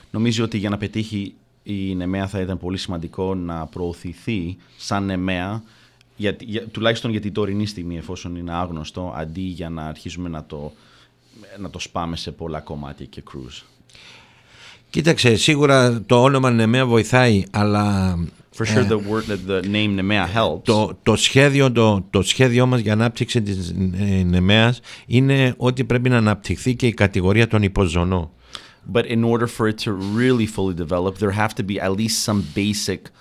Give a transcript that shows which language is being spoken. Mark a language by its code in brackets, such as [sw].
[el] Νομίζω ότι για να πετύχει η Νεμαία θα ήταν πολύ σημαντικό να προωθηθεί σαν Νεμαία. Τουλάχιστον για την τωρινή στιγμή, εφόσον είναι άγνωστο, αντί για να αρχίσουμε να το σπάμε σε πολλά κομμάτια και κρούς. Κοίταξε, σίγουρα το όνομα Νεμαία βοηθάει, αλλά... [en] For sure the word that the name Nemea helps. [el] Το σχέδιο μας για ανάπτυξη της Νεμαίας είναι ότι πρέπει να αναπτυχθεί και η κατηγορία των υποζωνών. [en] But in order for it to really fully develop, there have to be at least some basic